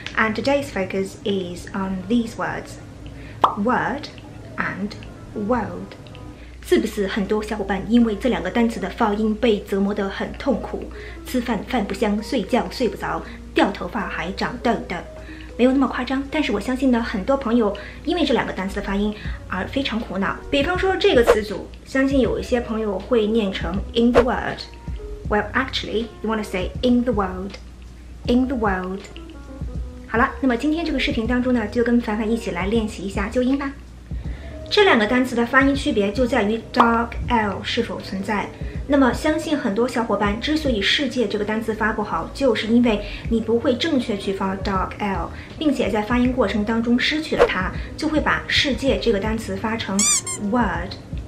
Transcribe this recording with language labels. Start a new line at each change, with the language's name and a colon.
English: And today's focus is on these words, word and world.
Chinese: 是不是很多小伙伴因为这两个单词的发音被折磨得很痛苦，吃饭饭不香，睡觉睡不着，掉头发还长痘痘？没有那么夸张，但是我相信呢，很多朋友因为这两个单词的发音而非常苦恼。比方说这个词组，相信有一些朋友会念成
English: in the word。 Well, actually, you want to say in the world, in the world.
Chinese: 好了，那么今天这个视频当中呢，就跟凡凡一起来练习一下纠音吧。这两个单词的发音区别就在于 dark L 是否存在。那么相信很多小伙伴之所以世界这个单词发不好，就是因为你不会正确去发 dark L， 并且在发音过程当中失去了它，就会把世界这个单词发成 word。